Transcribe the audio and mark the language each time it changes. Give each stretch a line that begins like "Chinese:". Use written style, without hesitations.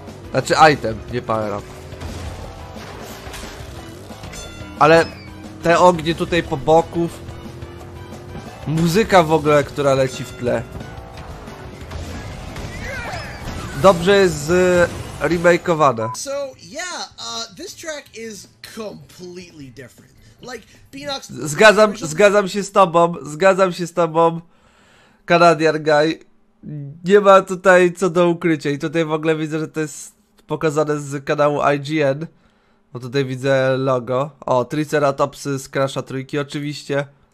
Polish: Znaczy item, nie power up. Ale te ognie tutaj po boków. Muzyka w ogóle, która leci w tle. Dobrze jest remake'owane.
English: So, yeah, this track is completely different. Like, Beanox...
Polish: Zgadzam się z tobą, Canadian Guy. Nie ma tutaj co do ukrycia i tutaj w ogóle widzę, że to jest pokazane z kanału IGN. Bo tutaj widzę logo. O, Triceratopsy z Crasha Trójki oczywiście.